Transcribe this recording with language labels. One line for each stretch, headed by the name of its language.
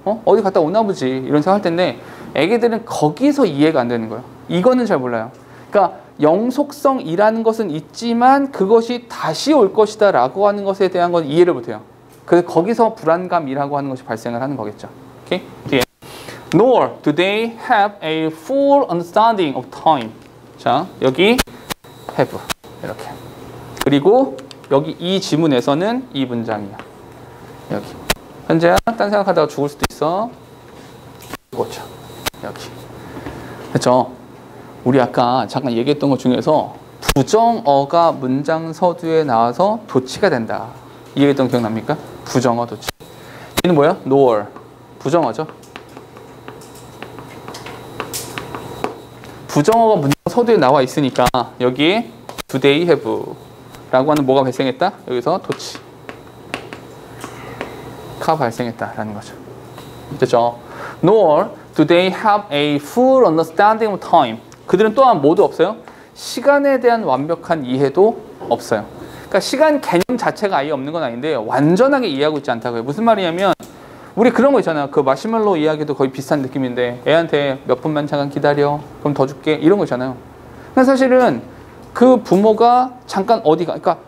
Korean: 어디 갔다 오나 보지 이런 생각할 텐데 애기들은 거기서 이해가 안 되는 거예요. 이거는 잘 몰라요. 그러니까 영속성이라는 것은 있지만 그것이 다시 올 것이다 라고 하는 것에 대한 건 이해를 못해요. 그래서 거기서 불안감이라고 하는 것이 발생을 하는 거겠죠. 오케이?
English: Nor do they have a full understanding of time.
Korean: 자 여기 have 이렇게 그리고 여기 이 지문에서는 이 문장이야. 여기 현재야 딴 생각하다가 죽을 수도 있어. 그렇죠. 여기. 그렇죠. 우리 아까 잠깐 얘기했던 것 중에서 부정어가 문장 서두에 나와서 도치가 된다. 이해했던 거 기억납니까? 부정어 도치. 얘는 뭐야? Nor. 부정어죠. 부정어가 문장 서두에 나와 있으니까 여기에
English: do they have
Korean: 라고 하는 뭐가 발생했다? 여기서 도치. 가 발생했다라는 거죠. 됐죠?
English: Nor do they have a full understanding of time.
Korean: 그들은 또한 뭐도 없어요? 시간에 대한 완벽한 이해도 없어요. 그러니까 시간 개념 자체가 아예 없는 건 아닌데 완전하게 이해하고 있지 않다고요. 무슨 말이냐면 우리 그런 거 있잖아요. 그 마시멜로 이야기도 거의 비슷한 느낌인데 애한테 몇 분만 잠깐 기다려. 그럼 더 줄게. 이런 거 있잖아요. 사실은 그 부모가 잠깐 어디 가 그러니까